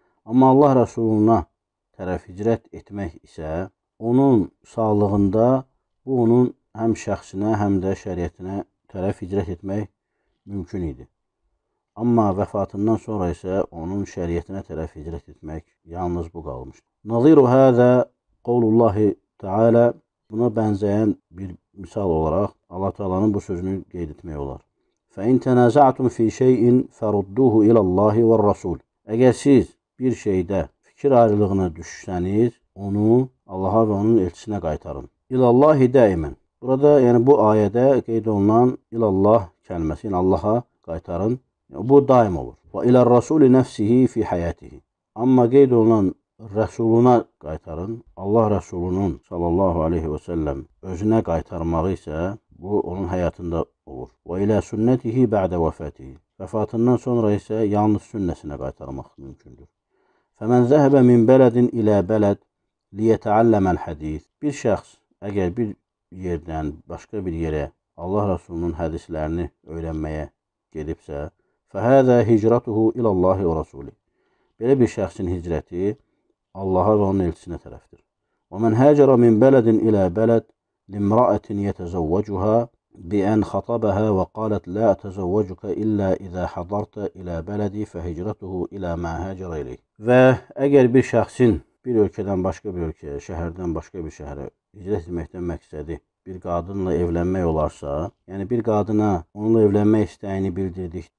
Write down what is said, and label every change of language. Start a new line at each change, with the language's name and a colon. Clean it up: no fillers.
Azerbaijani: Amma Allah Rəsuluna tərəf hicrət etmək isə onun sağlığında bu onun həm şəxsinə, həm də şəriətinə tərəf hicrət etmək mümkün idi. Amma vəfatından sonra isə onun şəriətinə tərəf hicrət etmək yalnız bu qalmışdır.
Arabic: Naziru hədə qovlullahi tealə
Azerbaijani: buna bənzəyən bir misal olaraq Allah-u Teala'nın bu sözünü qeyd etmək olar.
Arabic: فإن تنازعتم في شيء فردوه إلى الله والرسول.
Azerbaijani: Əgər siz bir şeydə fikir ayrılığına düşsəniz, onu Allaha və onun elçisinə qaytarın.
Arabic: İlallahi dəimən.
Azerbaijani: Burada, yəni bu ayədə qeyd olunan ilallah kəlməsi, yəni Allaha qaytarın. Yəni, bu daim olur.
Arabic: Və ilər rəsuli nəfsihi fi həyətihi.
Azerbaijani: Amma qeyd olunan rəsuluna qaytarın. Allah rəsulunun sallallahu aleyhi və səlləm özünə qaytarmağı isə bu onun həyatında olur.
Arabic: Və ilə sünnətihi bə'də vəfətihi.
Azerbaijani: Vəfatından sonra isə yalnız sünnəsinə qaytarmaq mümkündür.
Arabic: Fəmən zəhəbə min bələdin ilə bələd liyətəalləməl hədis.
Azerbaijani: Bir şəxs əgər bir yerdən başqa bir yerə Allah Rasulunun hədislərini öyrənməyə gedibsə,
Arabic: fəhəzə hicratuhu iləllahi və rasuli.
Azerbaijani: Belə bir şəxsin hicrəti Allaha və onun elçisinə tərəfdir.
Arabic: Və mən həcərə min bələdin ilə bələd limraətin yətəzəvvəcuhə بأن خطبها وقالت لا أتزوجك إلا إذا حضرت إلى بلدي فهجرته إلى ما هاجر إليه.
Turkish: Ve eğer bir şahsın bir ülkeden başka bir ülkeye, şehirden başka bir şehre hicret etmekten maksadı bir kadınla evlenmek olarsa, yani bir kadına onunla evlenmek isteğini bildirdik.